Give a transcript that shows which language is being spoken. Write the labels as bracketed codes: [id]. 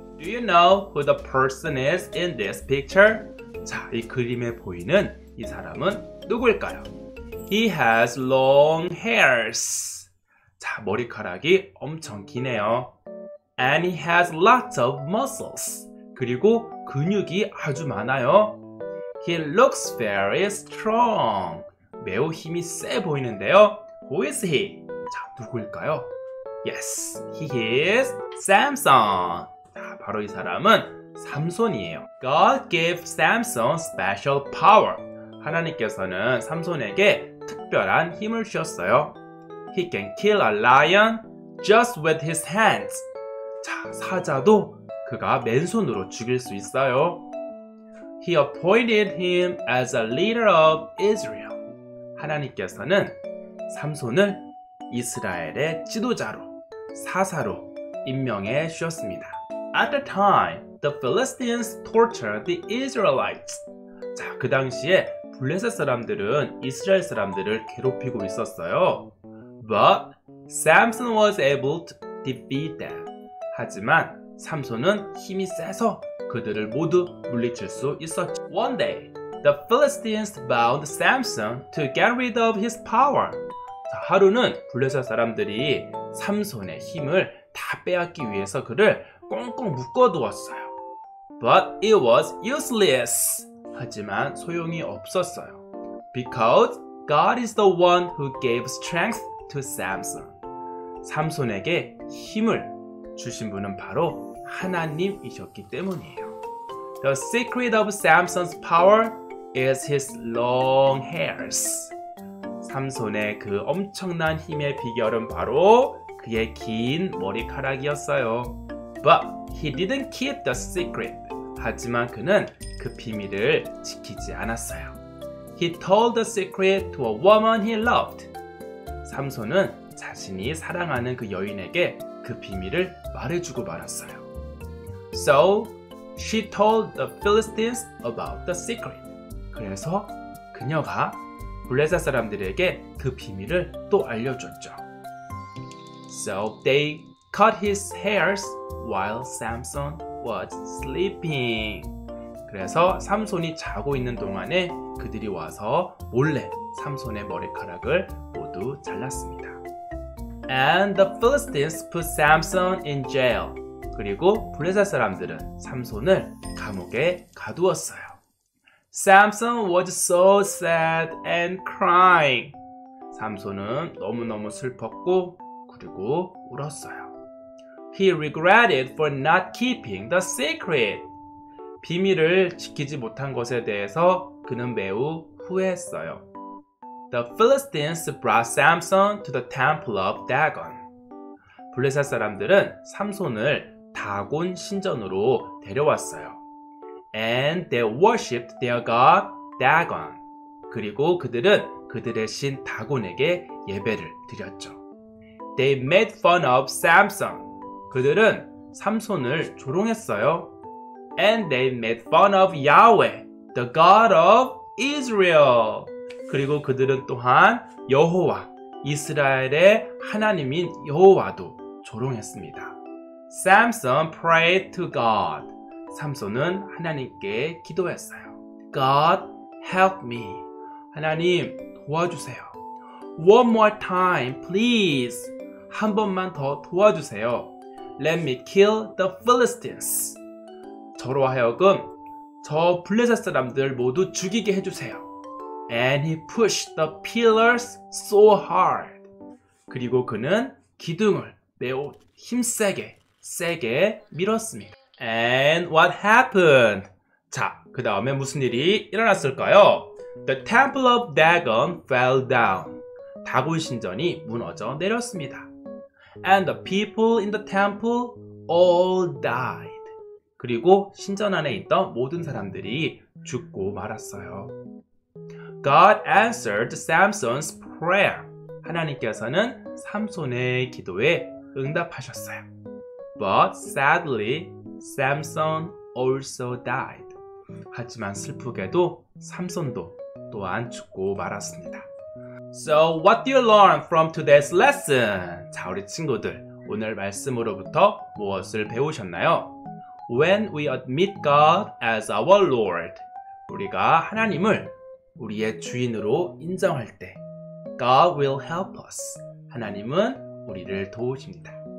[en] Do you know who the person is in this picture? [ko] 자, 이 그림에 보이는 이 사람은 누구일까요? [en] He has long hairs. [ko] 자, 머리카락이 엄청 기네요. [en] And he has lots of muscles. [ko] 그리고 근육이 아주 많아요. [en] He looks very strong. [ko] 매우 힘이 세 보이는데요. [en] Who is he? [ko] 자, 누구일까요? [en] Yes, he is Samson. [ko] 자, 바로 이 사람은 삼손이에요. [en] God gave Samson special power. [ko] 하나님께서는 삼손에게 특별한 힘을 주셨어요. [en] He can kill a lion just with his hands. [ko] 자, 사자도 그가 맨손으로 죽일 수 있어요. [en] He appointed him as a leader of Israel. [ko] 하나님께서는 삼손을 이스라엘의 지도자로, 사사로 임명해 주셨습니다. [en] At the time, the Philistines tortured the Israelites. [ko] 자, 그 당시에 블레셋 사람들은 이스라엘 사람들을 괴롭히고 있었어요. [en] But Samson was able to defeat them. [ko] 하지만 삼손은 힘이 세서 그들을 모두 물리칠 수 있었죠. [en] One day, the Philistines bound Samson to get rid of his power. [ko] 자, 하루는 블레셋 사람들이 삼손의 힘을 다 빼앗기 위해서 그를 꽁꽁 묶어두었어요. [en] But it was useless. [ko] 하지만 소용이 없었어요. [en] Because God is the one who gave strength to Samson. [ko] 삼손에게 힘을 주신 분은 바로 하나님이셨기 때문이에요. [en] The secret of Samson's power is his long hairs. [ko] 삼손의 그 엄청난 힘의 비결은 바로 그의 긴 머리카락이었어요. [en] But he didn't keep the secret. [ko] 하지만 그는 그 비밀을 지키지 않았어요. [en] He told the secret to a woman he loved. [ko] 삼손은 자신이 사랑하는 그 여인에게 그 비밀을 말해주고 말았어요. [en] So, she told the Philistines about the secret. [ko] 그래서 그녀가 블레셋 사람들에게 그 비밀을 또 알려줬죠. [en] So, they cut his hairs while Samson was sleeping. [ko] 그래서 삼손이 자고 있는 동안에 그들이 와서 몰래 삼손의 머리카락을 모두 잘랐습니다. [en] And the Philistines put Samson in jail. [ko] 그리고 블레셋 사람들은 삼손을 감옥에 가두었어요. [en] Samson was so sad and crying. [ko] 삼손은 너무너무 슬펐고 그리고 울었어요. [en] He regretted for not keeping the secret. [ko] 비밀을 지키지 못한 것에 대해서 그는 매우 후회했어요. [en] The Philistines brought Samson to the temple of Dagon. [ko] 블레셋 사람들은 삼손을 다곤 신전으로 데려왔어요. [en] And they worshipped their god Dagon. [ko] 그리고 그들은 그들의 신 다곤에게 예배를 드렸죠. [en] They made fun of Samson. [ko] 그들은 삼손을 조롱했어요. [en] And they made fun of Yahweh, the God of Israel. [ko] 그리고 그들은 또한 여호와, 이스라엘의 하나님인 여호와도 조롱했습니다. [en] Samson prayed to God. [ko] 삼손은 하나님께 기도했어요. [en] God, help me. [ko] 하나님, 도와주세요. [en] One more time, please. [ko] 한 번만 더 도와주세요. [en] Let me kill the Philistines. [ko] 저로 하여금 저 블레셋 사람들 모두 죽이게 해주세요. [en] And he pushed the pillars so hard. [ko] 그리고 그는 기둥을 매우 힘세게 세게 밀었습니다. [en] And what happened? [ko] 자, 그 다음에 무슨 일이 일어났을까요? [en] The Temple of Dagon fell down. [ko] 다곤 신전이 무너져 내렸습니다. [en] And the people in the temple all died. [ko] 그리고 신전 안에 있던 모든 사람들이 죽고 말았어요. [en] God answered Samson's prayer. [ko] 하나님께서는 삼손의 기도에 응답하셨어요. [en] But sadly, Samson also died. [ko] 하지만 슬프게도 삼손도 또한 죽고 말았습니다. [en] So what do you learn from today's lesson? [ko] 자, 우리 친구들, 오늘 말씀으로부터 무엇을 배우셨나요? [en] When we admit God as our Lord, [ko] 우리가 하나님을 우리의 주인으로 인정할 때, [en] God will help us. [ko] 하나님은 우리를 도우십니다.